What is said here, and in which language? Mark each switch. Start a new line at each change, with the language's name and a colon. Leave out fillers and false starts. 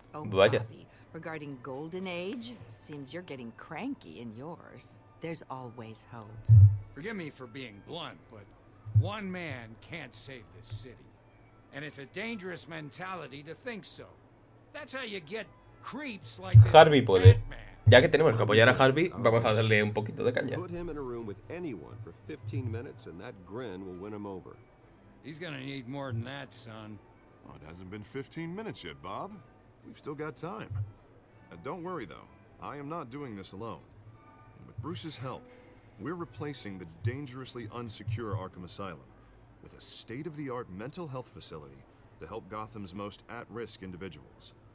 English: Oh, Bobby, regarding Golden Age, seems you're getting cranky in yours. There's always hope. Forgive me for being blunt, but one man can't save this city. And it's a dangerous mentality to think so. That's how you get creeps like this Batman.
Spanish: Ya que tenemos que apoyar a Harvey, vamos a darle un poquito de caña.
English: Put him in a room with anyone for 15 minutes and that grin will win him over. He's gonna need more than that, son. Well, it hasn't been 15 minutes yet, Bob. We've still got time. Don't worry, though. I am not doing this alone. With Bruce's help, we're replacing the dangerously unsecure Arkham Asylum with a state-of-the-art mental health facility to help Gotham's most at-risk individuals.